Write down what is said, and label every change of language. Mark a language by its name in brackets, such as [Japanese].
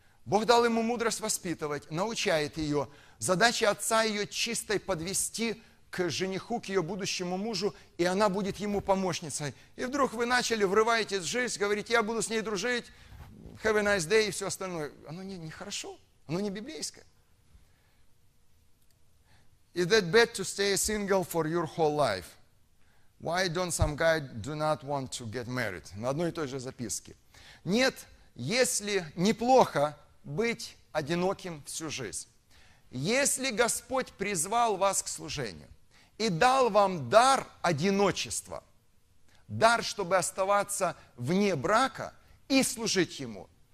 [Russian] Бог дал ему мудрость воспитывать, научает ее. Задача отца ее чистой подвести к жениху, к ее будущему мужу, и она будет ему помощницей. И вдруг вы начали, врываетесь в жизнь, говорить, я буду с ней дружить, [English] have a nice day [Russian] и все остальное. Оно нехорошо, оно не библейское. [English] Is that bad to stay single for your whole life? Why don't some guy do not want to get married? [Russian] На одной и той же записке. Нет, если неплохо быть одиноким всю жизнь. Если Господь призвал вас к служению, и дал вам дар одиночества, дар, чтобы оставаться вне брака и служить ему.